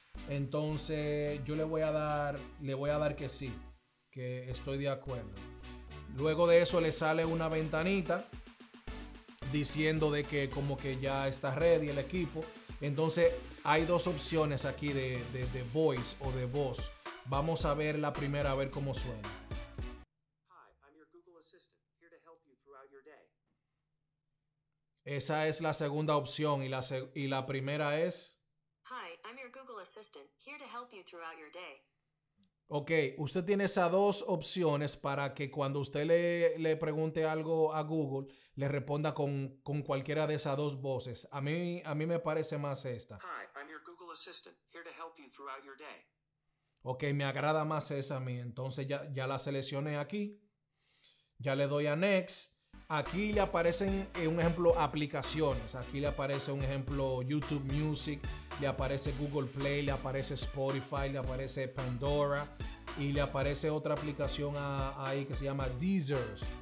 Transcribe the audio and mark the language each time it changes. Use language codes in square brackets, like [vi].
[es] Entonces, yo le voy a dar que sí, que estoy de acuerdo. Luego de eso, le sale una ventanita diciendo de que como que ya está ready el equipo. Entonces hay dos opciones aquí de voice o de voz. Vamos a ver la primera, a ver cómo suena. [en] Hi, I'm your Google Assistant, here to help you throughout your day. [es] Esa es la segunda opción y la primera es. [en] Hi, I'm your Google Assistant, here to help you throughout your day. [es] Ok, usted tiene esas dos opciones para que cuando usted le pregunte algo a Google, le responda con cualquiera de esas dos voces. A mí me parece más esta. [en] Hi, I'm your Google Assistant, here to help you throughout your day. [es] Ok, me agrada más esa a mí. Entonces ya la seleccioné aquí. Ya le doy a Next. Aquí le aparecen, un ejemplo, aplicaciones. Aquí le aparece, un ejemplo, YouTube Music. Le aparece Google Play, le aparece Spotify, le aparece Pandora y le aparece otra aplicación ahí que se llama Deezer.